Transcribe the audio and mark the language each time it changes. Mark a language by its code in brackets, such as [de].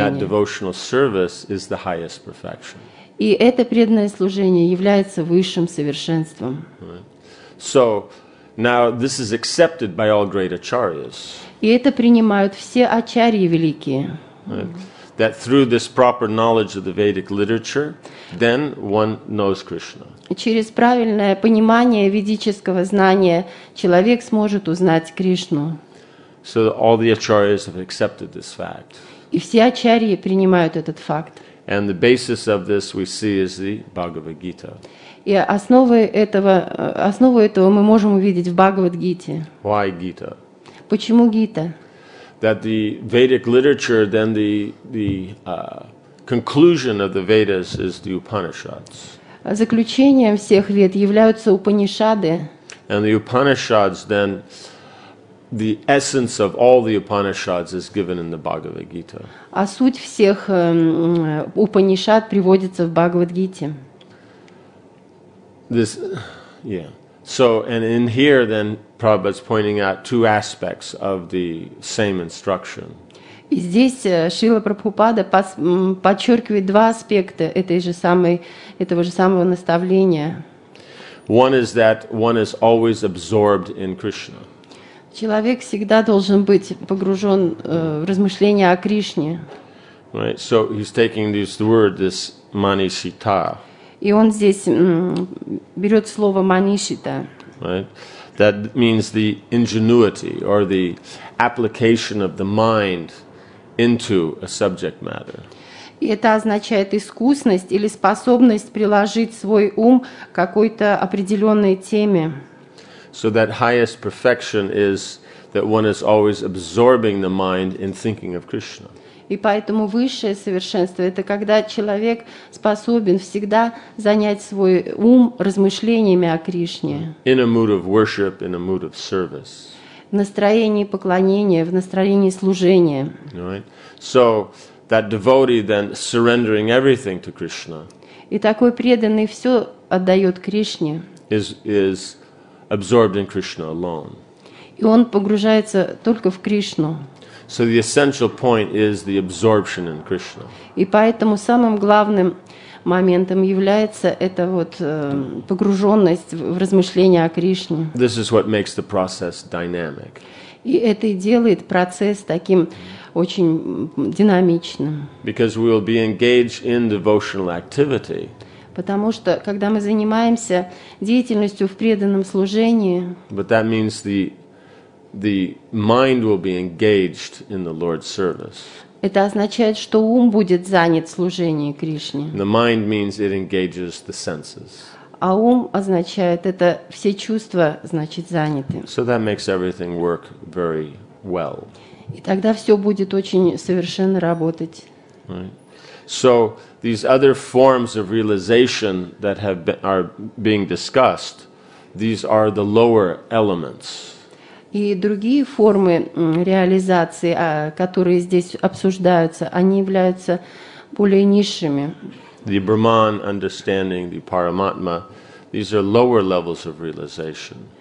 [en] And that devotional service is the highest perfection. [ru] И это преданное служение является высшим совершенством. [en] So, now this is accepted by all great acharyas. [ru] И это принимают все ачарьи великие. [en] That through this proper knowledge of the Vedic literature, then one knows Krishna. [ru] Через правильное понимание ведического знания человек сможет узнать Кришну. [en] So all the acharyas have accepted this fact. [ru] И все ачарьи принимают этот факт. [en] And the basis of this we see is the Bhagavad Gita. [ru] И основу этого мы можем увидеть в Бхагавад-гите. [en] Why Gita? [ru] Почему Гита? [en] That the Vedic literature, then the conclusion of the Vedas is the Upanishads. [ru] Заключением всех вед являются Упанишады. [en] And the Upanishads then The essence of all the Upanishads is given in the Bhagavad Gita. [ru] А суть всех Упанишад приводится в Бхагавад-гите. [en] This, yeah. So, and in here, then, Prabhupada's pointing out two aspects of the same instruction. [ru] И здесь Шрила Прабхупада подчеркивает два аспекта этой же самой, этого же самого наставления. [en] One is that one is always absorbed in Krishna. [ru] Человек всегда должен быть погружен в размышления о Кришне. [en] Right, so he's taking this word, this manishita. [ru] И он здесь берет слово манишита. [en] Right, that means the ingenuity or the application of the mind into a subject matter. [ru] И это означает искусность или способность приложить свой ум к какой-то определенной теме. [en] So that highest perfection is that one is always absorbing the mind in thinking of Krishna. [ru] И поэтому высшее совершенство – это когда человек способен всегда занять свой ум размышлениями о Кришне. [en] In a mood of worship, in a mood of service. [ru] В настроении поклонения, в настроении служения. [en] Right. So that devotee then surrendering everything to Krishna. [ru] И такой преданный все отдает Кришне. [en] Is absorbed in Krishna alone. [ru] И он погружается только в Кришну. [en] So the essential point is the absorption in Krishna. [ru] И поэтому самым главным моментом является это вот погруженность в размышления о Кришне. [en] This is what makes the process dynamic. [ru] И это и делает процесс таким очень динамичным. [en] Because we will be engaged in devotional activity. [ru] Потому что, когда мы занимаемся деятельностью в преданном служении, [en] but that means the mind will be engaged in the Lord's service. [ru] Это означает, что ум будет занят служением Кришне. [en] The mind means it engages the senses. [ru] А ум означает, это все чувства, значит, заняты. [en] So that makes everything work very well. [ru] И тогда все будет очень совершенно работать. [en] Right. So, these other forms of realization that have been, are being discussed, these are the lower elements. [ru] И другие формы реализации, которые здесь обсуждаются, они являются более низшими. [en] The Brahman understanding, the Paramatma, these are lower levels of realization.